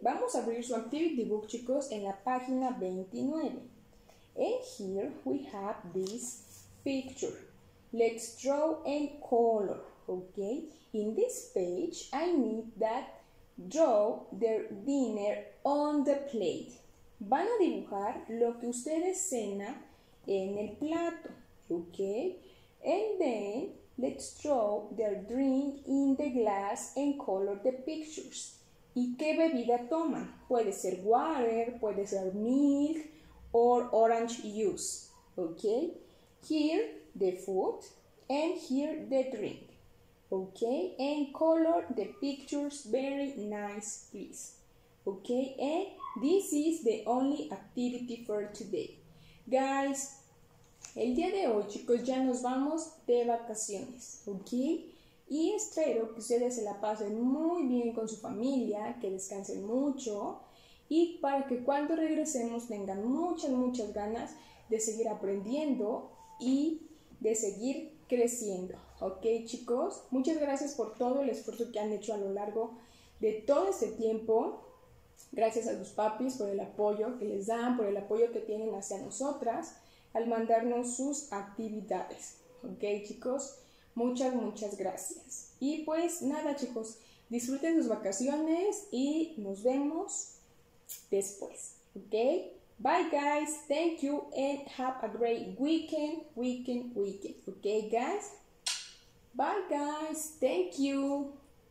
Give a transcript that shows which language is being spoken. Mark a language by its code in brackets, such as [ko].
[es] Vamos a abrir su [en] activity book, [es] chicos, en la página 29. [en] And here we have this picture. Let's draw and color, okay? In this page, I need that draw their dinner on the plate. [es] Van a dibujar lo que ustedes cena en el plato, okay? [en] And then let's draw their drink in the glass and color the pictures. [es] ¿Y qué bebida toman? Puede ser [en] water, [es] puede ser [en] milk or orange juice, [es] okay? [en] Here the food and here the drink. Okay, and color the pictures very nice, please. Okay, and this is the only activity for today. [es] Guys, el día de hoy, chicos, ya nos vamos de vacaciones, okay? Y espero que ustedes se la pasen muy bien con su familia, que descansen mucho, y para que cuando regresemos tengan muchas, muchas ganas de seguir aprendiendo y de seguir creciendo. Ok, chicos, muchas gracias por todo el esfuerzo que han hecho a lo largo de todo este tiempo. Gracias a los papis por el apoyo que les dan, por el apoyo que tienen hacia nosotras al mandarnos sus actividades. Ok, chicos, muchas, muchas gracias. Y pues nada, chicos, disfruten sus vacaciones y nos vemos después. [en] Ok, bye guys, thank you and have a great weekend, weekend, weekend. Ok, guys. Bye guys, thank you.